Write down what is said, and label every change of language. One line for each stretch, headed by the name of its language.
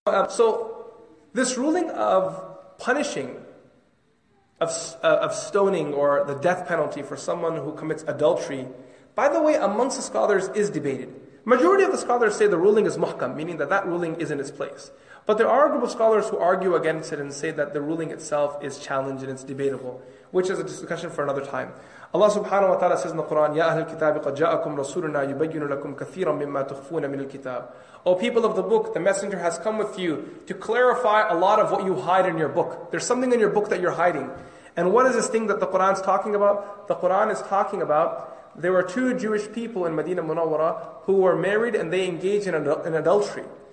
English: So this ruling of punishing, of stoning or the death penalty for someone who commits adultery, by the way, amongst the scholars is debated. Majority of the scholars say the ruling is muhkam, meaning that ruling is in its place. But there are a group of scholars who argue against it and say that the ruling itself is challenged and it's debatable, which is a discussion for another time. Allah subhanahu wa ta'ala says in the Quran,
Arabic: يَا أَهْلَ الْكِتَابِ قَدْ جَاءَكُمْ رَسُولُنَا يُبَيِّنُ لَكُمْ كَثِيرًا مِمَّا تُخْفُونَ مِنَ الْكِتَابِ.
English: O people of the book, the messenger has come with you to clarify a lot of what you hide in your book. There's something in your book that you're hiding. And what is this thing that the Quran is talking about? The Quran is talking about, there were two Jewish people in Medina Munawwara who were married and they engaged in adultery.